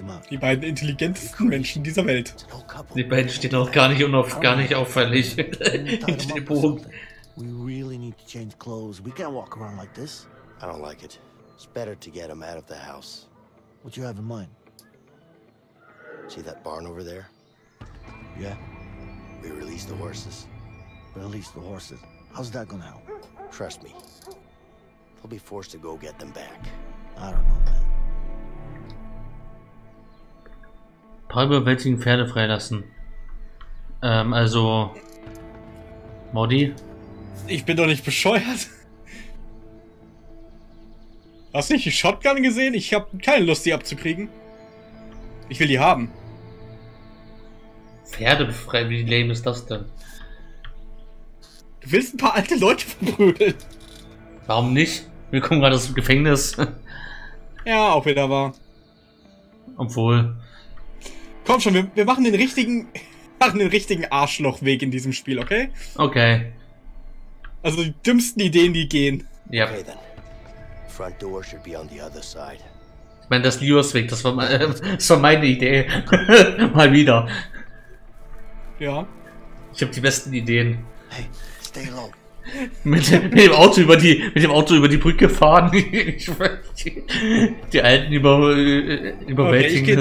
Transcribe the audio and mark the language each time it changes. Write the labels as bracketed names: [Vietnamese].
[German] Die beiden intelligentesten Menschen dieser Welt. Die beiden stehen auch gar nicht auffällig hinter dem Bogen. [English] We really need to change clothes. We can't walk around like this. I don't like it. It's better to get him out of the house. What do you have in mind? See that barn over there? Yeah. We release the horses. Release the horses. How's that gonna help? Trust me. They'll be forced to go get them back. I don't know, man. [German] Paul bewältigen Pferde freilassen. Also Modi. Ich bin doch nicht bescheuert. Hast du nicht die Shotgun gesehen? Ich habe keine Lust, die abzukriegen. Ich will die haben. Pferde befreien, wie lame ist das denn? Du willst ein paar alte Leute verprügeln. Warum nicht? Wir kommen gerade aus dem Gefängnis. Ja, auch wieder wahr. Obwohl. Komm schon, wir machen den richtigen Arschlochweg in diesem Spiel, okay? Okay. Also die dümmsten Ideen, die gehen. [English] Ja. Okay, then. Front door should be on the other side. [German] Ich meine, das Liosweg, das war meine Idee. Mal wieder. Ja. Ich habe die besten Ideen. [English] Hey, stay low. [German] mit dem Auto über die Brücke fahren. die Alten überwältigen.